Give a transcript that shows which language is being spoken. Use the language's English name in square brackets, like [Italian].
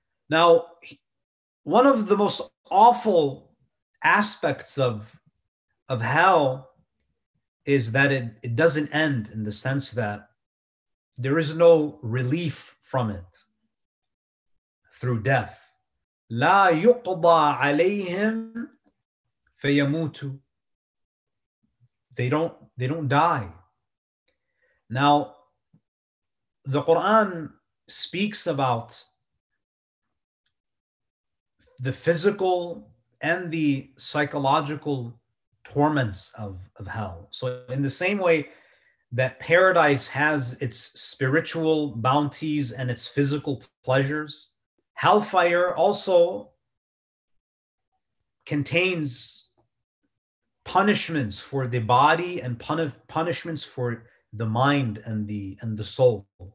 [English] Now, one of the most awful aspects of hell is that it doesn't end, in the sense that there is no relief from it through death. [Arabic] لَا يُقْضَى عَلَيْهِمْ فَيَمُوتُ. [English] They don't die. Now, the Quran speaks about the physical and the psychological torments of hell. So in the same way that paradise has its spiritual bounties and its physical pleasures, hellfire also contains punishments for the body and punishments for the mind and the soul.